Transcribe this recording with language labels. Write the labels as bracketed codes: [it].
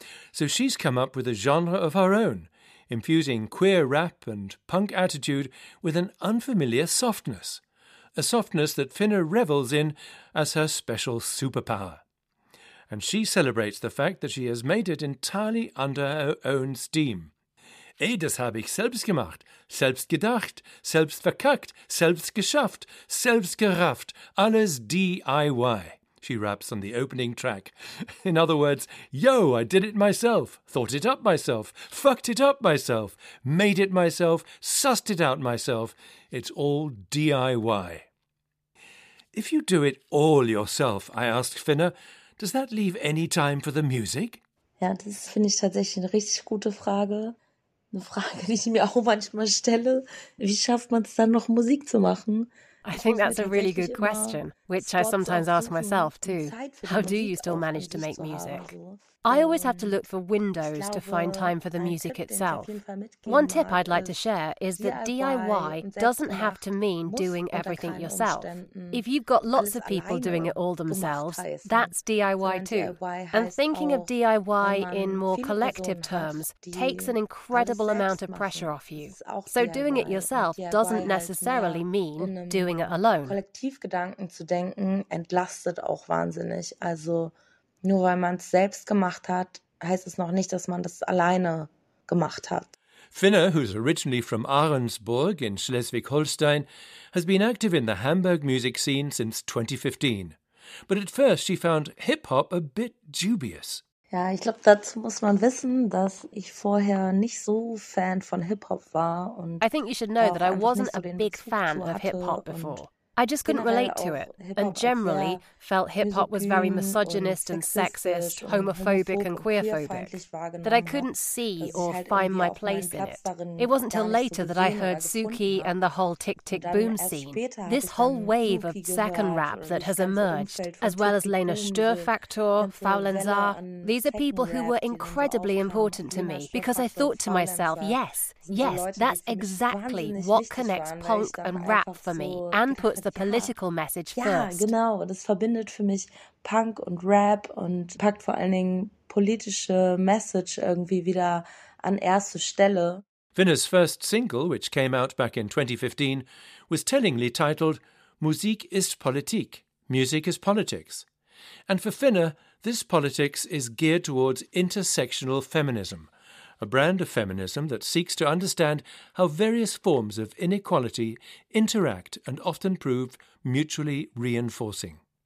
[en] So she's come up with a genre of her own, infusing queer rap and punk attitude with an unfamiliar softness, a softness that Finna revels in as her special superpower. And she celebrates the fact that she has made it entirely under her own steam. [de] Ey, das habe ich selbst gemacht, selbst gedacht, selbst verkackt, selbst geschafft, selbst gerafft, alles DIY, [en] she raps on the opening track. In other words, yo, I did it myself, thought it up myself, fucked it up myself, made it myself, sussed it out myself, it's all DIY. If you do it all yourself, I ask Finna, does that leave any time for the music? [de] Ja, das finde ich tatsächlich eine richtig gute Frage. Eine Frage, die ich mir auch manchmal stelle, wie schafft man es dann noch, Musik zu machen? [en] I think that's a really good question, which I sometimes ask myself too. How do you still manage to make music? I always have to look for windows to find time for the music itself. One tip I'd like to share is that DIY doesn't have to mean doing everything yourself. If you've got lots of people doing it all themselves, that's DIY too. And thinking of DIY in more collective terms takes an incredible amount of pressure off you. So doing it yourself doesn't necessarily mean doing it alone. [de] Kollektivgedanken zu denken entlastet auch wahnsinnig. Also nur weil man es selbst gemacht hat, heißt es noch nicht, dass man das alleine gemacht hat. [en] Finne, who's originally from Ahrensburg in Schleswig-Holstein, has been active in the Hamburg music scene since 2015. But at first she found hip-hop a bit dubious. [de] Ja, ich glaube, dazu muss man wissen, dass ich vorher nicht so Fan von Hip-Hop war. Und [en] I think you should know that I wasn't a big fan of Hip-Hop before. I just couldn't relate to it, and generally felt hip-hop was very misogynist and sexist, homophobic and queerphobic, that I couldn't see or find my place in it. It wasn't till later that I heard Suki and the whole Tick Tick Boom scene. This whole wave of second rap that has emerged, as well as Lena Störfaktor, Faulenzar, these are people who were incredibly important to me, because I thought to myself, yes, that's exactly what connects punk and rap for me, and puts the political message first. [de] Ja, genau, das verbindet für mich Punk und Rap und packt vor allen Dingen politische Message irgendwie wieder an erste Stelle. [en] Finna's first single, which came out back in 2015, was tellingly titled Musik ist Politik, Music is Politics. And for Finna, this politics is geared towards intersectional feminism, a brand of feminism that seeks to understand how various forms of inequality interact and often prove mutually reinforcing.